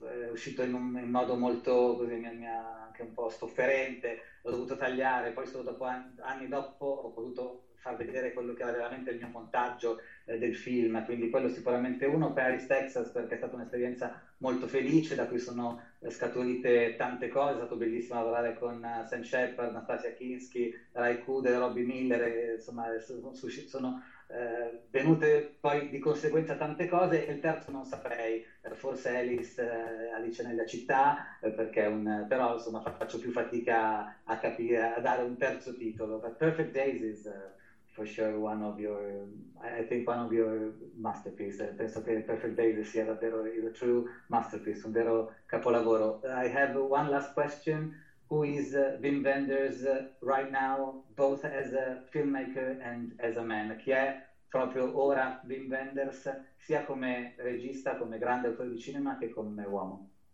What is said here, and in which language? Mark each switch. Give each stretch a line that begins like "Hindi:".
Italian: uscito in modo molto così, anche un po' sofferente, l'ho dovuto tagliare, poi solo dopo anni dopo ho potuto far vedere quello che era veramente il mio montaggio del film, quindi quello è sicuramente uno, Paris, Texas, perché è stata un'esperienza molto felice, da cui sono scaturite tante cose, è stato bellissimo lavorare con Sam Shepard, Nastassja Kinski, Ray Cooder, Robbie Miller, insomma, sono venute poi di conseguenza tante cose, e il terzo non saprei, forse Alice nella città, però insomma faccio più fatica a capire, a dare un terzo titolo,
English: but Perfect Days is, for sure one of your, I think one of your masterpiece.
Italian: Penso che Perfect Days sia davvero il
English: true masterpiece,
Italian: un vero capolavoro.
English: I have one last question. Who is Wim Wenders right now, both as a filmmaker and as a man?
Italian: Chi è proprio ora Wim Wenders, sia come regista, come grande autore di cinema, che come uomo?